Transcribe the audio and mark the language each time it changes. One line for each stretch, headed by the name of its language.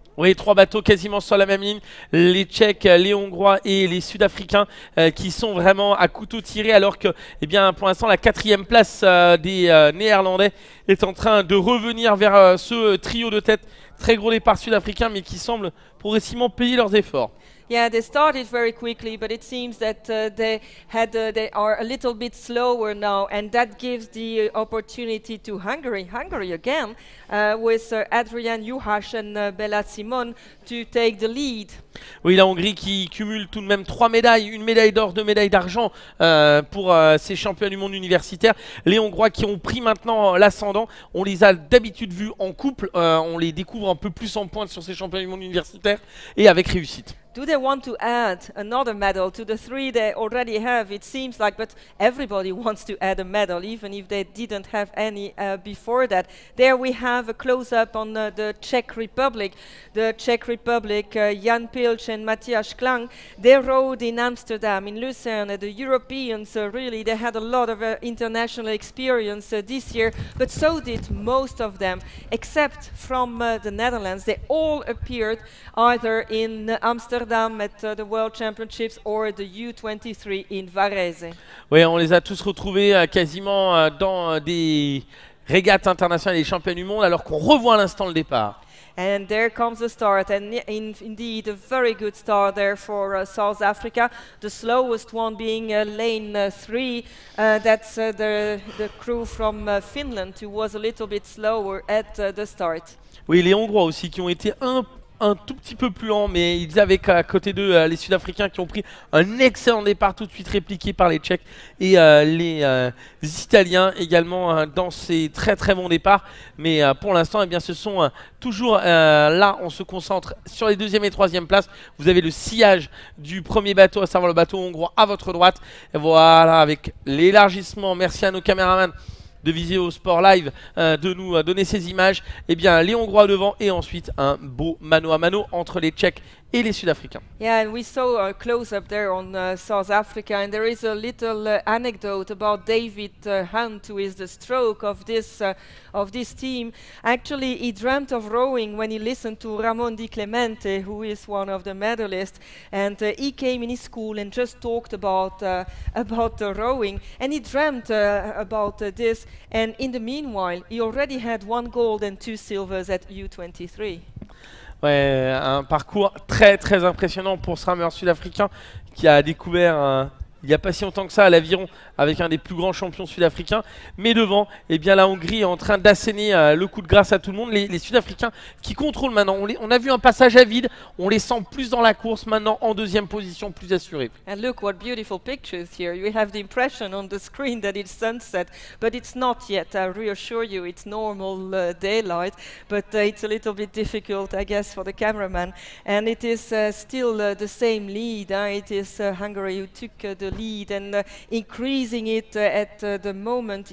French: Oui, trois bateaux quasiment sur la même ligne. Les Tchèques, les Hongrois et les Sud-Africains qui sont vraiment à couteau tiré alors que, eh bien, pour l'instant, la quatrième place des Néerlandais est en train de revenir vers ce trio de tête. Très gros départ sud-africain, mais qui semblent progressivement payer leurs efforts.
English: Yeah, they started very quickly, but it seems that they are a little bit slower now, and that gives the opportunity to Hungary again, with Adrian Juhasz and Bella Simon to take the lead.
French: Oui, la Hongrie qui cumule tout de même trois médailles, une médaille d'or, deux médailles d'argent pour ces champions du monde universitaire. Les Hongrois qui ont pris maintenant l'ascendant, on les a d'habitude vus en couple, on les découvre un peu plus en pointe sur ces champions du monde universitaire et avec réussite.
English: Do they want to add another medal to the three they already have? It seems like, but everybody wants to add a medal, even if they didn't have any before that. There we have a close-up on the Czech Republic. The Czech Republic, Jan Pilch and Matthias Klang, they rode in Amsterdam, in Lucerne. The Europeans, really, they had a lot of international experience this year, but so did most of them, except from the Netherlands. They all appeared either in Amsterdam at the World Championships or the U23 in Varese.
French: Oui, on les a tous retrouvés quasiment dans des régates internationales, des championnats du monde, alors qu'on revoit à l'instant le départ.
English: And there comes the start, and indeed a very good start there for South Africa. The slowest one being lane 3, that's the crew from Finland who was a little bit slower at the start.
French: Oui, les Hongrois aussi qui ont été un tout petit peu plus lent, mais ils avaient à côté d'eux les Sud-Africains qui ont pris un excellent départ, tout de suite répliqué par les Tchèques et les Italiens également dans ces très très bons départs. Mais pour l'instant, eh bien, ce sont toujours là, on se concentre sur les deuxième et troisième places. Vous avez le sillage du premier bateau, à savoir le bateau hongrois à votre droite. Et voilà, avec l'élargissement, merci à nos caméramans de viser au Sport Live, de nous donner ces images. Eh bien, les Hongrois devant et ensuite un beau mano à mano entre les Tchèques et les Sud-Africains.
English: Yeah, and we saw a close-up there on South Africa, and there is a little anecdote about David Hunt, who is the stroke of this team. Actually, he dreamt of rowing when he listened to Ramon Di Clemente, who is one of the medalists, and he came in his school and just talked about the rowing, and he dreamt about this, and in the meanwhile, he already had one gold and two silvers at U23.
French: Ouais, un parcours très très impressionnant pour ce rameur sud-africain qui a découvert il n'y a pas si longtemps que ça à l'aviron avec un des plus grands champions sud-africains. Mais devant, eh bien, la Hongrie est en train d'asséner le coup de grâce à tout le monde. Les Sud-Africains qui contrôlent maintenant. On a vu un passage à vide. On les sent plus dans la course maintenant en deuxième position, plus assurés.
English: And look what beautiful pictures here. You have the impression on the screen that it's sunset, but it's not yet. I reassure you, it's normal daylight, but it's a little bit difficult, I guess, for the cameraman. And it is still the same lead. It is Hungary who took the lead and increased it at the moment.